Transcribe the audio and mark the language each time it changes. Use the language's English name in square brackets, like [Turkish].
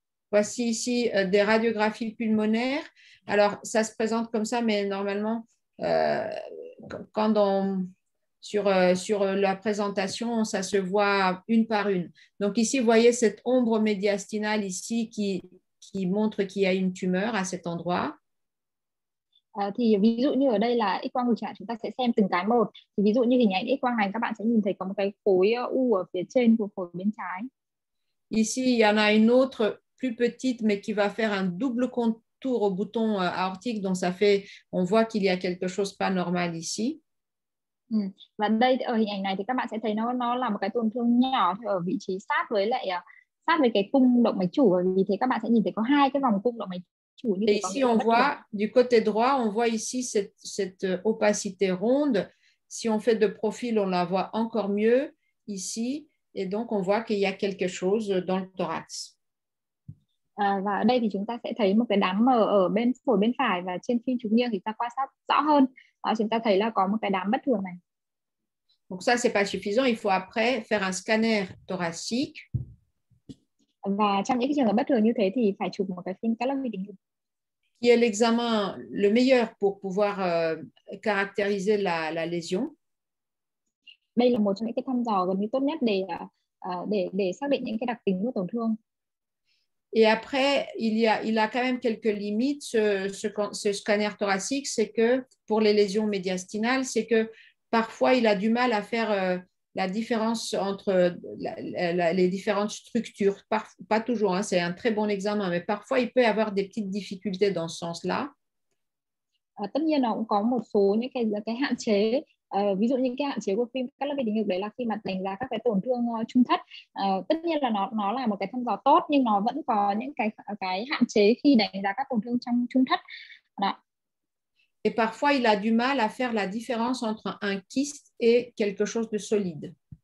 [French] Voici ici des radiographies pulmonaires. Alors ça se présente comme ça, mais normalement quand on sur la présentation, ça se voit une par une. Donc ici, vous voyez cette ombre médiastinale ici qui montre qu'il y a une tumeur à cet endroit. [Vietnamese] Thì ví dụ như ở đây là X-quang ngực, chúng ta sẽ xem từng cái một. Thì ví dụ như hình ảnh X-quang này, các bạn sẽ nhìn thấy có một cái khối u ở phía trên của phổi bên trái. [French] Ici, il y en a une autre plus petite, mais qui va faire un double contour. Tour au bouton aortique, donc ça fait, on voit qu'il y a quelque chose pas normal ici. [Vietnamese] Và đây ở hình ảnh này thì các bạn sẽ thấy nó là một cái tổn thương nhỏ ở vị trí sát với cái cung động mạch chủ, vì thế các bạn sẽ nhìn thấy có hai cái vòng cung động mạch chủ. [French] Et ici on voit du côté droit, on voit ici cette opacité ronde. Si on fait de profil, on la voit encore mieux ici. Et donc, on voit qu'il y a quelque chose dans le thorax. [Vietnamese] Và ở đây thì chúng ta sẽ thấy một cái đám mờ ở bên phổi bên phải và trên phim trục niêng thì ta quan sát rõ hơn. Chúng ta thấy là có một cái đám bất thường này. [French] Donc ça, c'est pas suffisant. Il faut après faire un scanner thoracique. [Vietnamese] Và trong những cái trường hợp bất thường như thế thì phải chụp một cái phim cắt lớp vi tính. [French] Qui est l'examen le meilleur pour pouvoir caractériser la lésion? [Vietnamese] Đây là một trong những cái thăm dò gần như tốt nhất để xác định những cái đặc tính của tổn thương. [French] Et après, il a quand même quelques limites, ce scanner thoracique, c'est que pour les lésions médiastinales, c'est que parfois il a du mal à faire la différence entre les différentes structures. Pas toujours, hein, c'est un très bon examen, mais parfois il peut avoir des petites difficultés dans ce sens-là. [Vietnamese] Tất nhiên, nó cũng có một số những cái hạn chế. Ví dụ như cái hạn chế của phim cắt lớp vi tính ngực đấy là khi mà đánh giá các cái tổn thương trung thất. Tất nhiên là nó là một cái thăm dò tốt nhưng nó vẫn có những cái hạn chế khi đánh giá các tổn thương trong trung thất. Đó. [French] Et parfois il a du mal à faire la différence entre un kyste et quelque chose de solide.